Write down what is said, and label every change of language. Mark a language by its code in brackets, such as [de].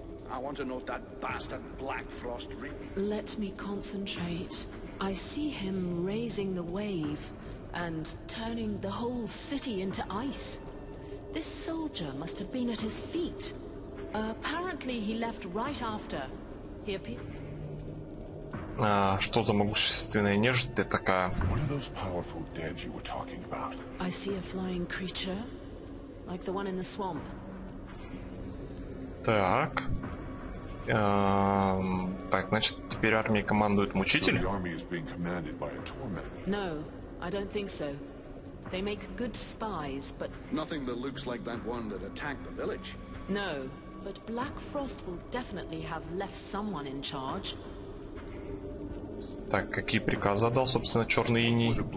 [en] I want to know if that bastard Blackfrost reaped. Let me concentrate. I see him raising the wave and turning the whole city into ice. This soldier must have been at his feet. Apparently he left right after. He appeared. [ru] А, что за могущественная нежить ты такая? [en] What are those powerful dead you were talking about? I see a flying creature, like the one in the swamp. [ru] Так. Так, значит, теперь армией командует мучитель? [en] So the army is being commanded by a torment. No, I don't think so. They make good spies, but nothing that looks like that one that attacked the village. No, but Blackfrost will definitely have left someone in charge. [ru] Так, какие приказы отдал, собственно, черный иней?